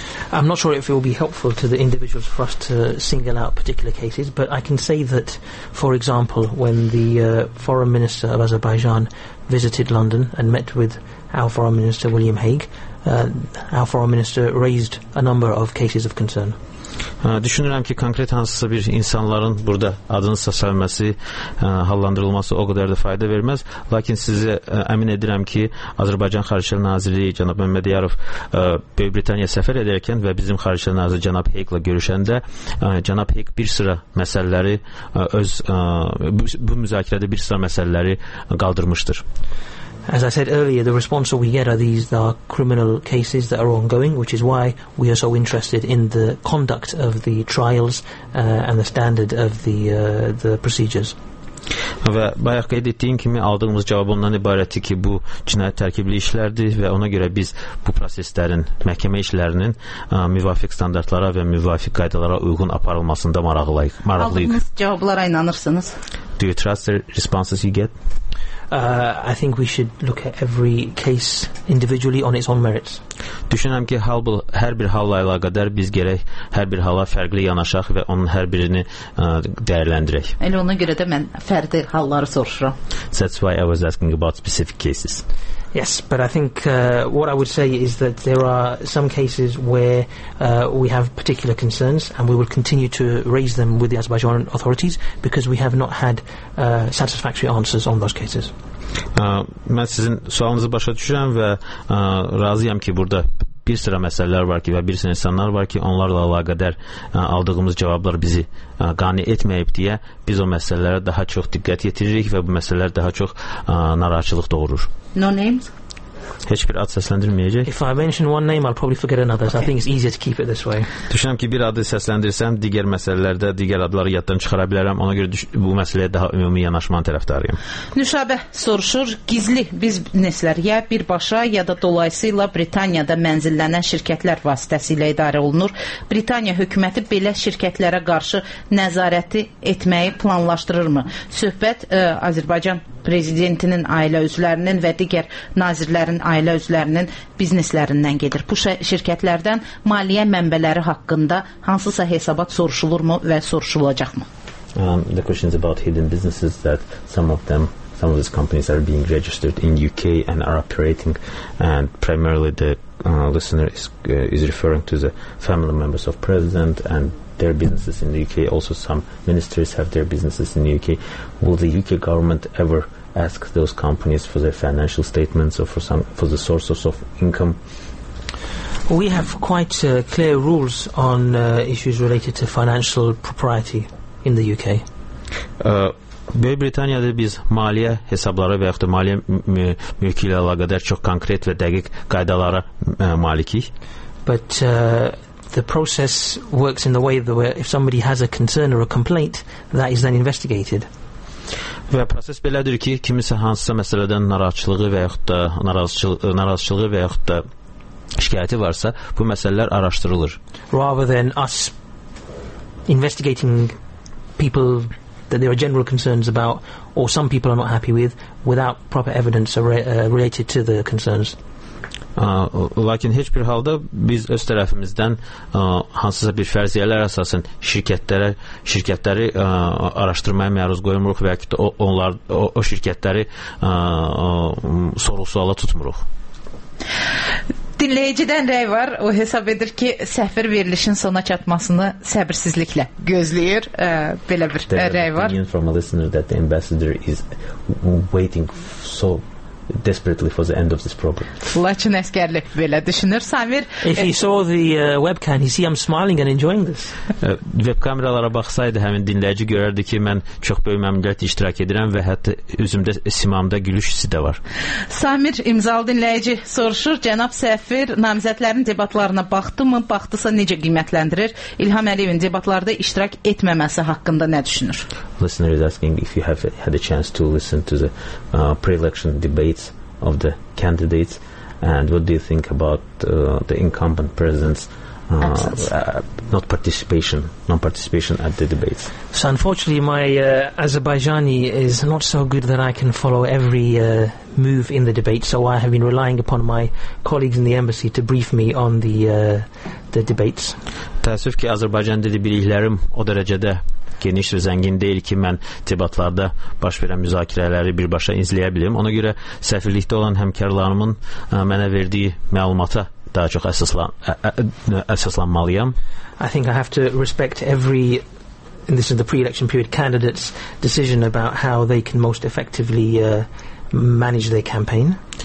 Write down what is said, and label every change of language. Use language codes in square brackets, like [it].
[en] I'm not sure if it will be helpful to the individuals for us to single out particular cases, but I can say that, for example, when the foreign minister of Azerbaijan visited London and met with our foreign minister, William Hague, our foreign minister raised a number of cases of concern. [az] Düşünürüm ki konkret hansısa bir insanların burada adını seçilmesi, hallandırılması o kadar da fayda vermez. Lakin size emin ederim ki Azerbaycan Xarici Nazirliği Cənab Məmməd Yarov Böyük Britaniya səfər edərkən və bizim Xarici Nazir Cənab Hague ilə görüşəndə Cənab Hague bir sıra məsələləri öz bu müzakirədə bir sıra məsələləri qaldırmışdır. [en] As I said earlier, the response that we get are these are criminal cases that are ongoing, which is why we are so interested in the conduct of the trials and the standard of the procedures. [az] Və bayaq qeyd etdiyim kimi aldığımız cavab ondan ibarətdir ki, bu cinayət tərkibli işlərdir və ona görə biz bu proseslərin, məhkəmə işlərinin müvafiq standartlara və müvafiq qaydalara uyğun aparılmasında maraqlıyıq. Aldığınız cavablara inanırsınız? [en] Do you trust the responses you get? I think we should look at every case individually on its own merits. [az] Düşünürəm ki, hər bir halla əlaqədar biz gərək hər bir hala fərqli yanaşaq və onun hər birini dəyərləndirək. Elə ona görə də mən fərdi halları soruşuram. [en] That's why I was asking about specific cases. Yes, but I think what I would say is that there are some cases where we have particular concerns and we will continue to raise them with the Azerbaijan authorities because we have not had satisfactory answers on those cases. [az] Mən sizin sualınızı başa düşürəm və razıyam ki, burada bir sıra məsələlər var ki və bir sıra insanlar var ki, onlarla əlaqədar aldığımız cavablar bizi qani etməyib deyə biz o məsələlərə daha çox diqqət yetiririk və bu məsələlər daha çox narahatçılıq doğurur. [en] No names? [az] Heç bir ad səsləndirməyəcək. [en] If I mention one name, I'll probably forget another. Okay. So I think it's easier to keep it this way. [az] Düşünürəm ki, bir adı səsləndirsəm, digər məsələlərdə digər adları yaddan çıxara bilərəm. Ona görə bu məsələyə daha ümumi yanaşmanın tərəfdarıyam. Nüşabə soruşur, gizli biznesler ya birbaşa ya da dolayısıyla Britaniyada mənzillənən şirkətlər vasitəsilə idarə olunur. Britaniya hökuməti belə şirkətlərə qarşı nəzarəti etməyi planlaşdırırmı? Söhbət Azərbaycan prezidentinin ailə üzvlərinin və digər nazirlərin ailə üzvlərinin bizneslərindən gedir. Bu şirkətlərdən maliyyə mənbələri haqqında hansısa hesabat soruşulurmu və soruşulacaqmı? [en] The question is about hidden businesses that some of these companies are being registered in UK and are operating, and primarily the listener is referring to the family members of president and their businesses in the UK. Also, some ministries have their businesses in the UK. Will the UK government ever ask those companies for their financial statements or for the sources of income? We have quite clear rules on issues related to financial propriety in the UK. [az] Böyük Britaniyada biz maliyyə hesabları və yaxud da maliyyə mülkü ilə əlaqədar çox konkret və dəqiq qaydalara malikik. [en] But the process works in the way that if somebody has a concern or a complaint, that is then investigated. [az] Və proses belədir ki, kimisə hansısa məsələdən narahatçılığı və yaxud da narahatçılığı və yaxud da şikayəti varsa, bu məsələlər araşdırılır. [en] Rather than us investigating people that there are general concerns about or some people are not happy with without proper evidence related to the concerns. [az] Lakin heç bir halda biz öz tərəfimizdən hansısa bir fərziyyələr əsasən şirkətləri araşdırmaya məruz qoymuruq və ki o şirkətləri sorğu-suala tutmuruq. Dinləyicidən rəy var. O hesab edir ki, səfir verilişin sona çatmasını səbirsizliklə gözləyir. Belə bir rəy var. [en] The opinion from a listener that the ambassador is waiting so desperately for the end of this program. [az] Laçın əskərli belə düşünür. Samir, [en] if he saw the webcam, he'd see I'm smiling and enjoying this. [az] Web kameralara baxsaydı həmin dinləyici görərdi ki, mən çox böyük məmnuniyyətlə iştirak edirəm və hətta üzümdə simamda gülüş hissi də var. Samir, imzalı dinləyici soruşur, cənab səfir namizədlərin debatlarına baxdı mı? Baxdısa necə qiymətləndirir? İlham Əliyevin debatlarda iştirak etməməsi haqqında nə düşünür? [en] Listener is asking if you have had a chance to listen to the pre-election debates of the candidates, and what do you think about the incumbent president's not participation, non-participation at the debates. So unfortunately, my Azerbaijani is not so good that I can follow every move in the debate. So I have been relying upon my colleagues in the embassy to brief me on the debates. [az] Təəssüf ki, Azərbaycan dili biliklərim o dərəcədə geniş və zəngin deyil ki, mən debatlarda baş verən müzakirələri birbaşa izləyə bilim. Ona görə səfirlikdə olan həmkarlarımın mənə verdiyi məlumata daha çox əsaslanmalıyam. [en] I think I have to respect every, and this is the pre-election period, candidate's decision about how they can most effectively manage their campaign.